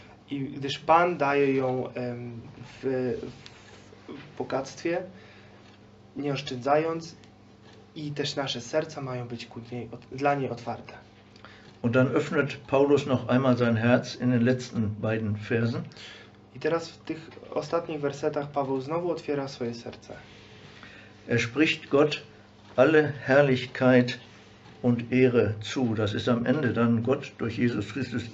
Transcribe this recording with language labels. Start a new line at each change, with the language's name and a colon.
Polish: I gdyż Pan daje ją w bogactwie, nie oszczędzając, i też nasze serca mają być ku niej, dla niej otwarte.
German: Und dann öffnet Paulus noch einmal sein Herz in den letzten beiden Versen.
Polish: I teraz w tych ostatnich wersetach Paweł znowu otwiera swoje serce.
German: Er spricht Gott alle Herrlichkeit und Ehre zu. Das ist am Ende dann Gott durch Jesus Christus.